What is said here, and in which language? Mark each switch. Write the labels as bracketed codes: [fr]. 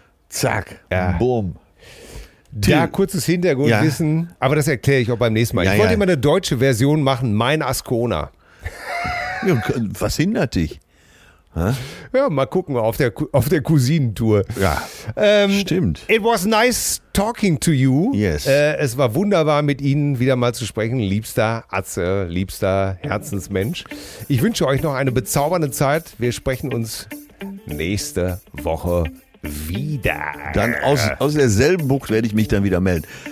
[de] Zack, ja. Boom. Ja, kurzes Hintergrundwissen, ja. Aber das erkläre ich auch beim nächsten Mal. Ja, ich wollte immer eine deutsche Version machen, mein Ascona. Ja, was hindert dich? Ha? Ja, mal gucken auf der Cousinentour. Ja, stimmt. [en] It was nice talking to you. Yes. [de] Es war wunderbar, mit Ihnen wieder mal zu sprechen, liebster Atze, liebster Herzensmensch. Ich wünsche euch noch eine bezaubernde Zeit. Wir sprechen uns nächste Woche wieder. Dann aus derselben Bucht werde ich mich dann wieder melden.